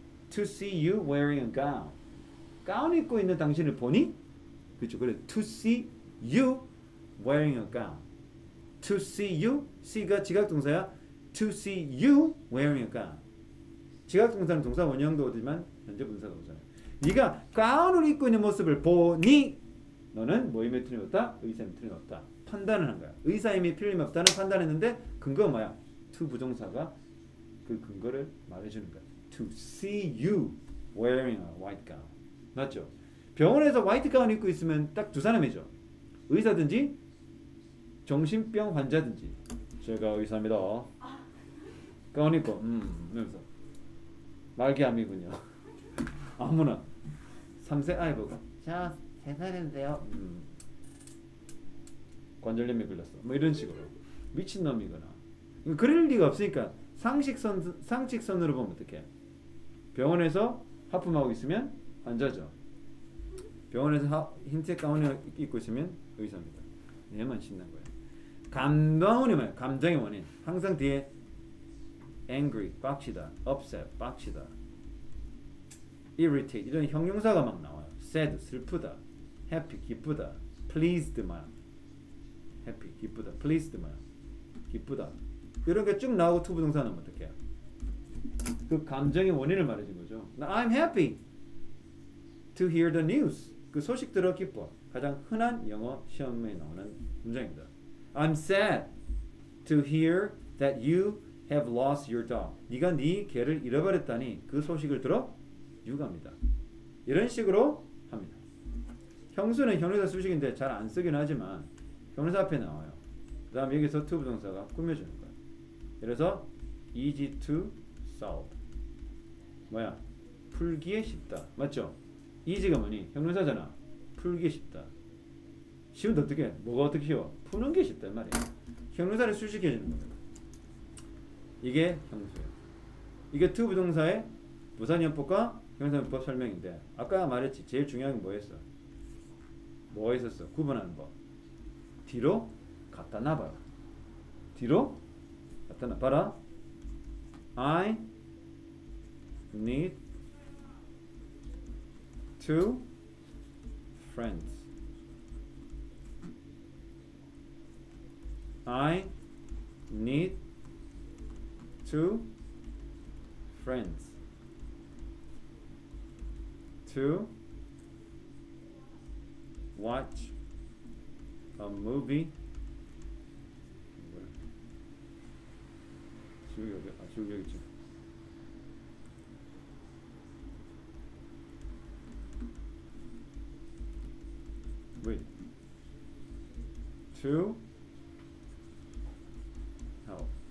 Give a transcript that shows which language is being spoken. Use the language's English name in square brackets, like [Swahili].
[English] To see you wearing a gown. [Korean] 가운 입고 있는 당신을 보니? 그렇죠. 그래. [English] To see you wearing a gown. To see you. [Korean] see가 지각동사야. [English] To see you wearing a gown. [Korean] 지각동사는 동사 원형도 오지만 현재 분사 동사야. 네가 가운을 입고 있는 모습을 보니 너는 뭐임에 틀림없다? 의사임에 틀림없다. 판단을 한 거야. 의사임에 틀림없다는 판단했는데 근거가 뭐야? 투 부정사가 그 근거를 말해주는 거야. [English] To see you wearing a white gown. [Korean] 맞죠? 병원에서 화이트 가운 입고 있으면 딱 두 사람이죠. 의사든지 정신병 환자든지. 제가 의사입니다. 가운 입고 이러면서 말기암이군요. 아무나 3세 아이 보고 자 3살인데요 관절염이 걸렸어 뭐 이런 식으로 미친놈이거나 그럴 리가 없으니까 상식선으로 보면 어떡해. 병원에서 하품하고 있으면 환자죠. 병원에서 흰색 가운을 입고 있으면 의사입니다. 얘만 신난 거예요. 감동이 뭐예요? 감정의 원인. 항상 뒤에 angry, 빡치다, upset, 빡치다, irritate 이런 형용사가 막 나와요. sad, 슬프다, happy, 기쁘다, pleased 마냥 happy, 기쁘다, pleased 마냥 기쁘다 이런 게 쭉 나오고 to 부동사는 어떻게 해요? 그 감정의 원인을 말해준 거죠. [English] I'm happy to hear the news. [Korean] 그 소식 들어 기뻐. 가장 흔한 영어 시험에 나오는 문장입니다. [English] I'm sad to hear that you have lost your dog. [Korean] 네가 네 개를 잃어버렸다니 그 소식을 들어 유감이다. 이런 식으로 합니다. 형수는 형용사 수식인데 잘 안 쓰긴 하지만 형용사 앞에 나와요. 그 다음 여기서 to 부동사가 꾸며주는 거예요. 그래서 [English] easy to solve. [Korean] 뭐야? 풀기에 쉽다. 맞죠? easy가 뭐니? 형용사잖아. 풀기에 쉽다. 쉬운데 어떻게 해? 뭐가 어떻게 쉬워? 푸는 게 쉽단 말이야. 형용사를 수식해주는 거예요. 이게 형수예요. 이게 to 부동사의 부산연법과 형용사연법 설명인데 아까 말했지 제일 중요한 게 뭐였어? 뭐가 있었어? 구분하는 법. 뒤로 갖다 놔봐요. 뒤로 갖다 놔봐라. [English] I need two friends. I need two friends to watch a movie. [Korean] 뭐야? 지우기 여기, 아, 지우기 여기 있지. 왜? [English] To help.